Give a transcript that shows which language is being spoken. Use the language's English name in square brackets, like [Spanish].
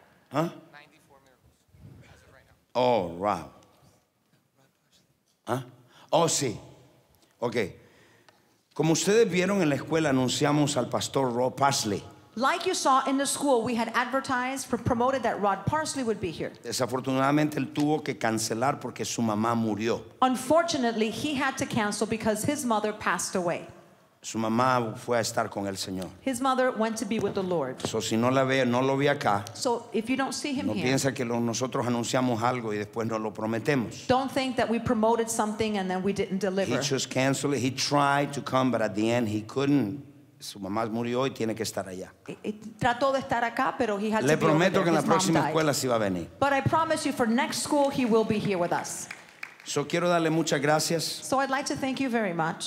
[English] Huh? 94 miracles. Oh, wow. ¿Ah? Oh, sí. [Spanish] Okay. Como ustedes vieron en la escuela, anunciamos al pastor Rob Pasley. [English] Like you saw in the school, we had advertised, promoted that Rod Parsley would be here. [Spanish] Desafortunadamente, él tuvo que cancelar porque su mamá murió. [English] Unfortunately, he had to cancel because his mother passed away. [Spanish] Su mamá fue a estar con el Señor. [English] His mother went to be with the Lord. [Spanish] So, si no la ve, no lo vi acá. [English] So if you don't see him [Spanish] no [English] here, [Spanish] piensa que nosotros anunciamos algo y después no lo prometemos. [English] Don't think that we promoted something and then we didn't deliver. He just canceled it. He tried to come, but at the end he couldn't. [Spanish] Su mamá murió y tiene que estar allá. Trató de estar acá, pero [English] he had [Spanish] le prometo que en la próxima escuela sí va a venir. [English] But I promise you for next school he will be here with us. [Spanish] So, quiero darle muchas gracias. [English] So I'd like to thank you very much.